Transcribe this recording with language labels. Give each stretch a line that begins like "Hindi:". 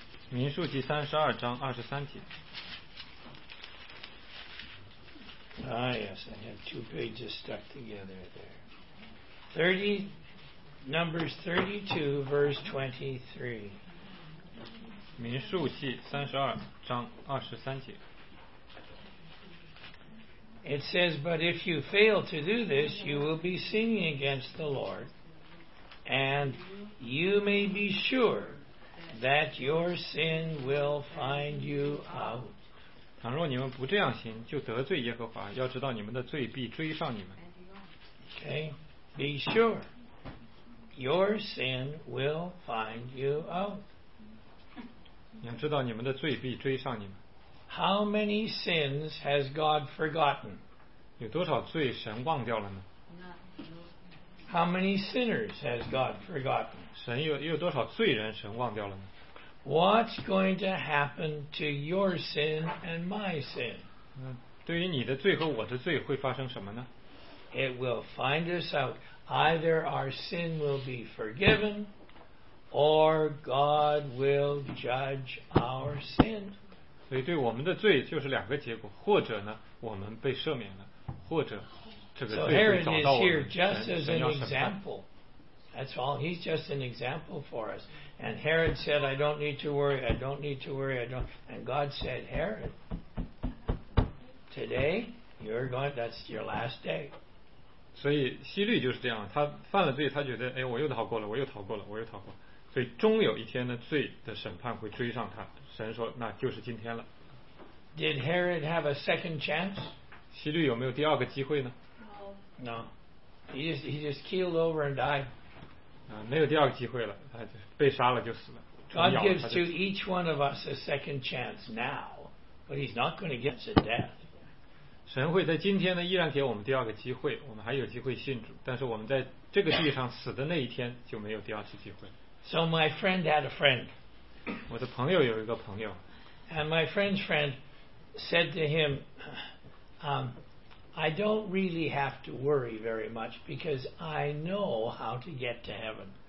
Chinese: 民数记三十二章二十三节。
English: Ah, yes, I had two pages stuck together there. Numbers 32:23.
Chinese: 民数记三十二章二十三节。
English: It says, but if you fail to do this, you will be sinning against the Lord, and you may be sure that your sin will find you out.
Chinese: 倘若你们不这样行，就得罪耶和华，要知道你们的罪必追上你们。
English: Okay, be sure. Your sin will find you out.
Chinese: 要知道你们的罪必追上你们。
English: How many sins has God forgotten?
Chinese: 有多少罪神忘掉了呢？
English: How many sinners has God forgotten?
Chinese: 神有多少罪人神忘掉了呢？
English: What's going to happen to your sin and my sin?
Chinese: 对于你的罪和我的罪会发生什么呢？
English: It will find us out. Either our sin will be forgiven, or God will judge our sin.
Chinese: 所以对我们的罪就是两个结果，或者呢，我们被赦免了，或者这个罪会找到我们，神要审判。
English: That's all. He's just an example for us. And Herod said, I don't need to worry, I don't need to worry, I don't. And God said, Herod, today, you're going, that's your last day.
Chinese: 所以希律就是这样，他犯了罪，他觉得，哎，我又逃过了，我又逃过了，我又逃过了。所以终有一天呢，罪的审判会追上他。神说，那就是今天了。
English: Did Herod have a second chance?
Chinese: 希律有没有第二个机会呢？
English: No. He just keeled over and died.
Chinese: 没有第二个机会了，他就被杀了就死了。
English: God gives to each one of us a second chance now, but He's not going to give us a death.
Chinese: 神会在今天呢，依然给我们第二个机会，我们还有机会信主，但是我们在这个地上死的那一天就没有第二次机会。
English: So my friend had a friend.
Chinese: 我的朋友有一个朋友。
English: And my friend's friend said to him, I don't really have to worry very much because I know how to get to heaven.